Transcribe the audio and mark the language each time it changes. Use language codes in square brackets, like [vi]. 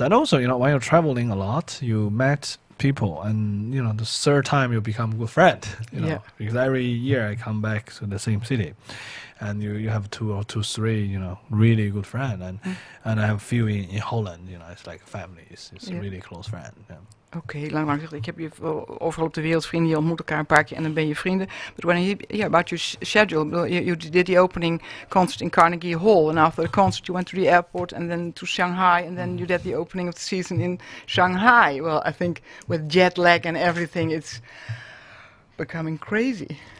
[en] And also, you know, when you're traveling a lot, you met people, and you know, the third time you become a good friend, you know, because every year I come back to the same city, and you have two or three, you know, really good friends, and I have a few in Holland, you know, it's like family, it's a really close friend. Yeah. [nl] Okay, lang zegt, ik heb je overal op de wereld vrienden, je ontmoet elkaar een paar keer en dan ben je vrienden. [en] But when about your schedule, you did the opening concert in Carnegie Hall, and after the concert you went to the airport and then to Shanghai, and then you did the opening of the season in Shanghai. Well, I think with jet lag and everything, it's becoming crazy.